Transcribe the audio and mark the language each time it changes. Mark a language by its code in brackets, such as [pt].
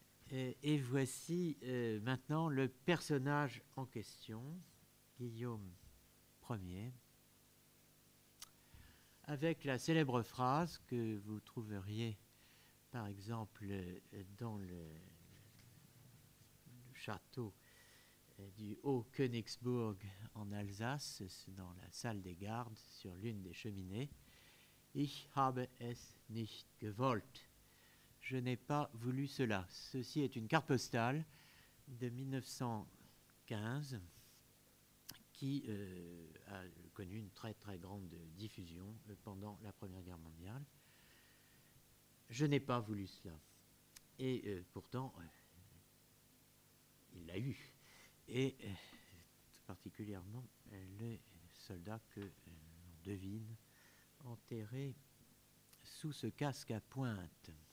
[fr] Et voici maintenant le personnage en question, Guillaume Ier, avec la célèbre phrase que vous trouveriez, par exemple, dans le château du Haut-Königsbourg en Alsace, c'est dans la salle des gardes, sur l'une des cheminées. [de] Ich habe es nicht gewollt. [fr] Je n'ai pas voulu cela. Ceci est une carte postale de 1915 qui a connu une très très grande diffusion pendant la Première Guerre mondiale. Je n'ai pas voulu cela. Et pourtant, il l'a eu, et tout particulièrement les soldats que l'on devine enterrés sous ce casque à pointe.